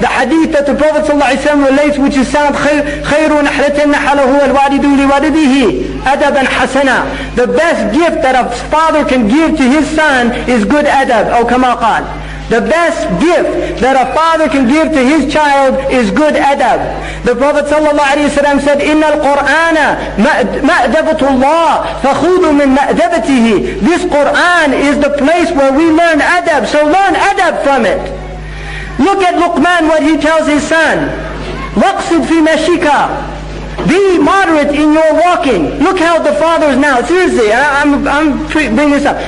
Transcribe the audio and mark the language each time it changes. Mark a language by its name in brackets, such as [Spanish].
[English] The hadith that the Prophet ﷺ relates, which is sound, [Arabic] خَيْرُ نَحْلَةٍ نَحَلَهُ الْوَالِدُ لِوَالِدِهِ أَدَبًا حَسَنًا. [English] The best gift that a father can give to his son is good adab. [Arabic] أو كما قال. [English] The best gift that a father can give to his child is good adab. The Prophet ﷺ said, [Arabic] إِنَّ الْقُرْآنَ مَأْدَبَةُ اللَّهِ فَخُوذُ مِنْ مَأْدَبَتِهِ. [English] This Qur'an is the place where we learn adab, so learn adab from it. Look at Luqman, what he tells his son. [Arabic] وَقْصِدْ فِي مَشِكَ. [English] Be moderate in your walking. Look how the fathers now, seriously, I'm bringing this up.